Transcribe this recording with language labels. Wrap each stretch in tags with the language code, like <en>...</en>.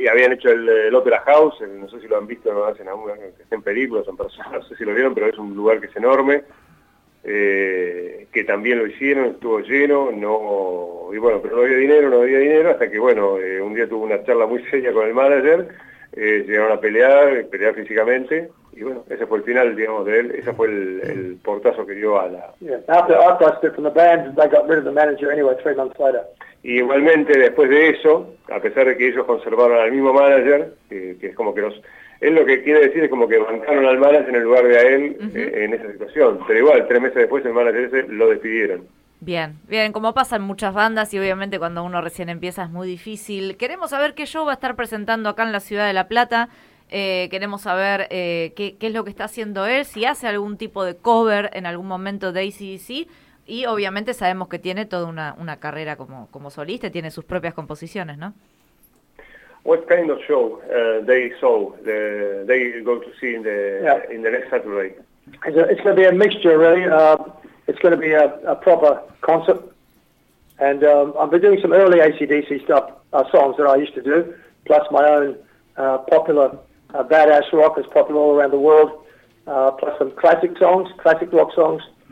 <es>Y habían hecho el Opera House, no sé si lo han visto, no hacen aún, que estén películas, no sé si lo vieron, pero es un lugar que es enorme, que también lo hicieron, estuvo lleno, pero no había dinero, hasta que, bueno, un día tuvo una charla muy seria con el manager, llegaron a pelear físicamente, y bueno, ese fue el final, digamos, de él, ese fue el portazo que dio a la...</es> <en>Yeah. After I stepped from the band, they got rid of the manager anyway, 3 months later.</en> <es>Y igualmente después de eso, a pesar de que ellos conservaron al mismo manager, que es como que los... Él lo que quiere decir es como que bancaron al manager en el lugar de a él, uh-huh, en esa situación. Pero igual, 3 meses después el manager ese lo despidieron. Bien, bien. Como pasa en muchas bandas y obviamente cuando uno recién empieza es muy difícil. Queremos saber qué show va a estar presentando acá en la ciudad de La Plata. Queremos saber qué es lo que está haciendo él, si hace algún tipo de cover en algún momento de AC/DC. Y obviamente sabemos que tiene toda una carrera como solista, tiene sus propias composiciones, ¿no?</es> <en>What kind of show they go to see in the next Saturday? It's going to be a mixture, really. It's going to be a proper concert. And I've been doing some early AC/DC stuff, songs that I used to do, plus my own popular badass rock that's popular all around the world, plus some classic rock songs.</en>